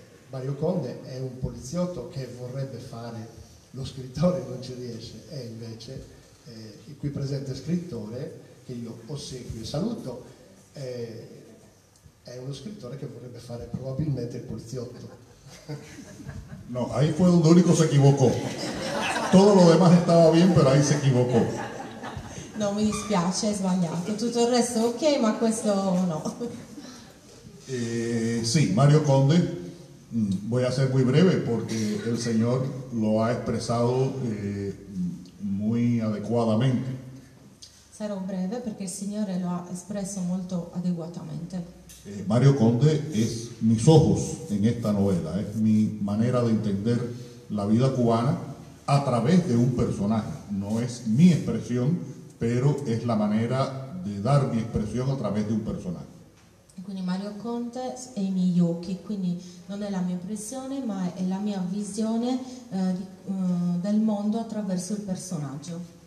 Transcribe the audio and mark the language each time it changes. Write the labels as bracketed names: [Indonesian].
[Italian] Mario Conde è un poliziotto che vorrebbe fare lo scrittore, non ci riesce, e invece il qui presente scrittore, che io ossequio e saluto, è uno scrittore che vorrebbe fare probabilmente il poliziotto. [Spanish] No, ahí fue donde único se equivocó. Todo lo demás estaba bien, pero ahí se equivocó. [Italian] No, me dispiace, he sbagliato. Todo el resto ok, ma questo no. [Spanish] Sí, Mario Conde, voy a ser muy breve porque el señor lo ha expresado muy adecuadamente. [Italian] Sarò breve perché il signore lo ha espresso molto adeguatamente. [Spanish] Mario Conde es mis ojos en esta novela, es mi manera de entender la vida cubana a través de un personaje. No es mi expresión, pero es la manera de dar mi expresión a través de un personaje. [Italian] Quindi Mario Conde è i miei occhi, quindi non è la mia impressione, ma è la mia visione del mondo attraverso il personaggio.